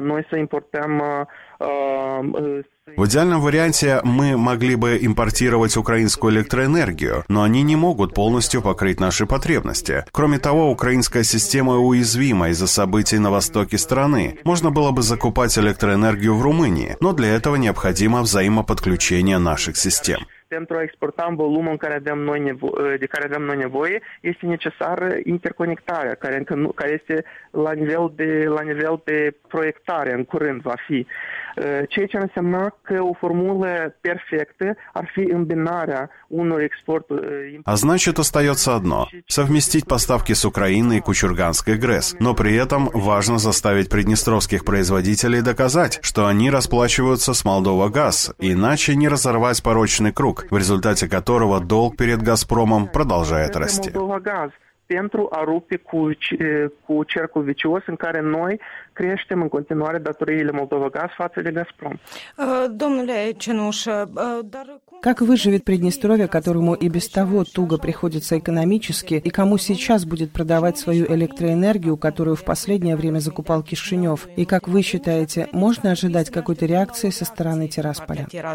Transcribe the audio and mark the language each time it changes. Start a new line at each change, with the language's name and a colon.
Russian: В идеальном варианте мы могли бы импортировать украинскую электроэнергию, но они не могут полностью покрыть наши потребности. Кроме того, украинская система уязвима из-за событий на востоке страны. Можно было бы закупать электроэнергию в Румынии, но для этого необходимо взаимоподключение наших систем.
Romanian: Pentru a exporta în volumul care avem noi de care avem noi nevoie, este necesară interconectarea care încă nu, care este la nivel de proiectare, în curând va fi. Ceea ce înseamnă că o formulă perfectă ar fi îmbinarea unor exporturi.
Russian: А значит, остается одно – совместить поставки с Украиной и Кучурганской ГРЭС. Но при этом важно заставить приднестровских производителей доказать, что они расплачиваются с Молдова-Газ, иначе не разорвать порочный круг, в результате которого долг перед «Газпромом» продолжает расти.
Romanian: Pentru a rupe cu cercul vicios în care noi creștem în continuare datoriile Moldova-Gaz față de Gazprom. Domnule Cenuș, dar
Russian: как выживет Приднестровье, которому и без того туго приходится экономически, и кому сейчас будет продавать свою электроэнергию, которую в последнее время закупал Кишинев? И как вы считаете, можно ожидать какой-то реакции со стороны Тирасполя?